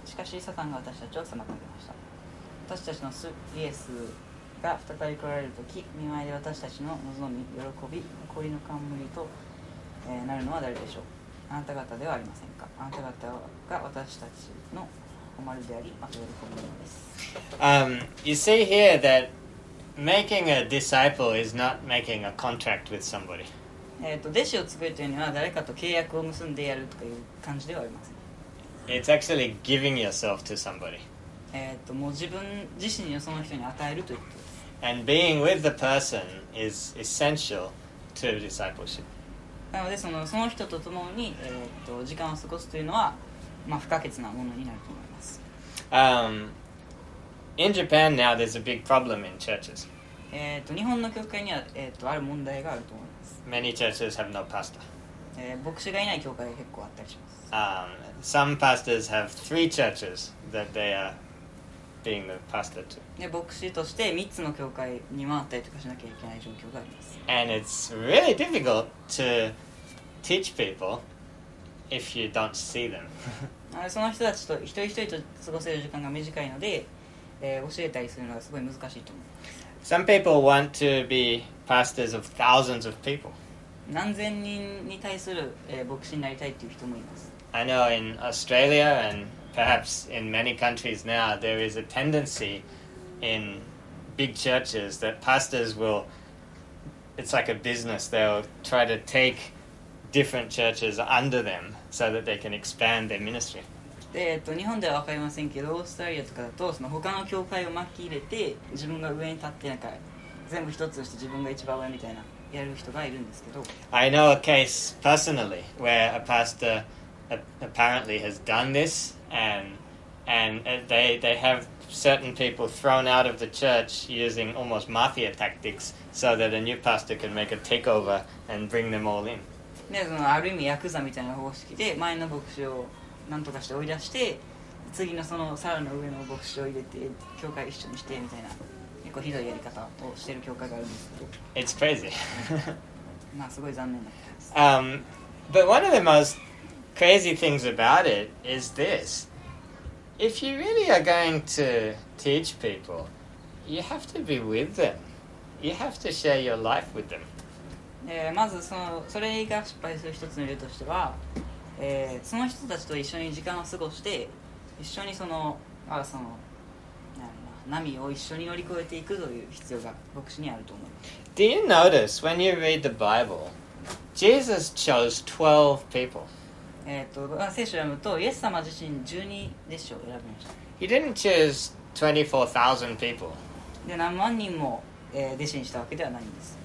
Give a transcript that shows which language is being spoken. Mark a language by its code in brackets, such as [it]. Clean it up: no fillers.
[ja] しかしサタンが私たちを妨げました。私たちのイエスが再び来られるとき、見舞いで私たちの望み、喜び、誇りの冠と、なるのは誰でしょう。あなた方ではありませんか。あなた方が私たちの誉れであり、また喜びなのです。 [en] You see here that making a disciple is not making a contract with somebody. [ja] 弟子を作るというのは誰かと契約を結んでやるという感じではありません。 [en] It's actually giving yourself to somebody. [ja] もう自分自身をその人に与えるということです。 [en] And being with the person is essential to discipleship. [ja] なのでその人と共に、時間を過ごすというのは、まあ、不可欠なものになると思います。 [en] In Japan now there's a big problem in churches. [ja] 日本の教会には、ある問題があると思います。 [en] Many churches have no pastor. [ja] 牧師がいない教会が結構あったりします。 [en] Some pastors have three churches that they are being the pastor to. [ja] 牧師として3つの教会に回ったりとかしなきゃいけない状況があります。 [en] And it's really difficult to teach people if you don't see them. [ja] その人たちと一人一人と過ごせる時間が短いので、教えたりするのがすごい難しいと思います。 [en] Some people want to be pastors of thousands of people. [ja] 何千人に対する、牧師になりたいという人もいます。 [en] I know in Australia and perhaps in many countries now, there is a tendency in big churches that pastors will, it's like a business, they'll try to take different churches under them so that they can expand their ministry. [ja] で日本では分かりませんけど、オーストラリアとかだとその他の教会を巻き入れて自分が上に立ってなんか全部一つとして自分が一番上みたいなやる人がいるんですけど。 [en] I know a case personally where a pastor apparently has done this and they have certain people thrown out of the church using almost mafia tactics so that a new pastor can make a takeover and bring them all in. [ja] ね、そのある意味ヤクザみたいな方式で前の牧師を何とかして追い出して次のそのサラの上の牧師を入れて教会一緒にしてみたいな結構ひどいやり方をしている教会があるんですけど。 [en] It's crazy. [ja] まあすごい残念なことです。 [en] But one of the most crazy things about it is this. If you really are going to teach people, you have to be with them. You have to share your life with them. [ja] まずそのそれが失敗する一つの理由としては、その人たちと一緒に時間を過ごして、一緒にその、あ、その、なんだろうな、波を一緒に乗り越えていくという必要が牧師にあると思います。 [en] Do you notice when you read the Bible? Jesus chose 12 people. [ja] 聖書を読むと、イエス様自身12弟子を選びました。 [en] He didn't choose 24,000 people. [ja] で、何万人も、弟子にしたわけではないんです。